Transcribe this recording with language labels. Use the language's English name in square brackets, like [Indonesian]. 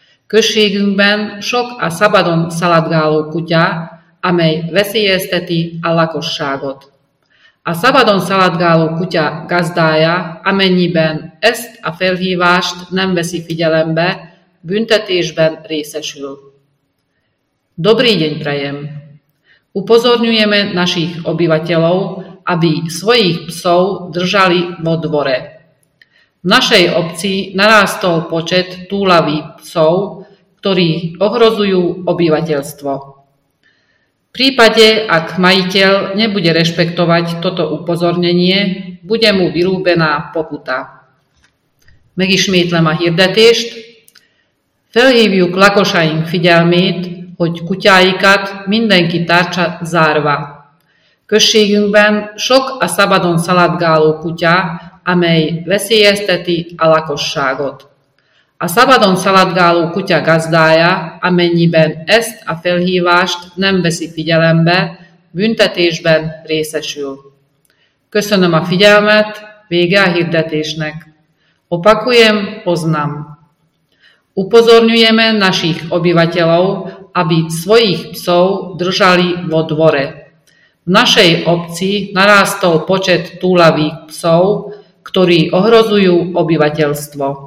[Hungarian] Községünkben sok a szabadon szaladgáló kutya, amely veszélyezteti a lakosságot. A szabadon szaladgáló kutya gazdája, amennyiben ezt a felhívást nem veszi figyelembe, büntetésben részesül. [Slovak] Dobrý deň prajem! Upozorňujeme našich obyvateľov, aby svojich psov držali vo dvore. V našej obci narástol počet túlavých psov, ktorí ohrozujú obyvateľstvo. V prípade, ak majiteľ nebude rešpektovať toto upozornenie, bude mu vyrúbená pokuta. [Hungarian] Megismétlem a hirdetést. Felhívjuk lakosaink figyelmét, hogy kutyáikat mindenki tartsa zárva. Községünkben sok a szabadon szaladgáló kutya, amely veszélyezteti a lakosságot. A szabadon szaladgáló kutya gazdája, amennyiben ezt a felhívást nem veszi figyelembe, büntetésben részesül. Köszönöm a figyelmet, vége a hirdetésnek. [Slovak] Opakujem, poznám. Upozorňujeme našich obyvateľov, aby svojich psov držali vo dvore. V našej obci narástol počet túlavých psov, ktorí ohrozujú obyvateľstvo.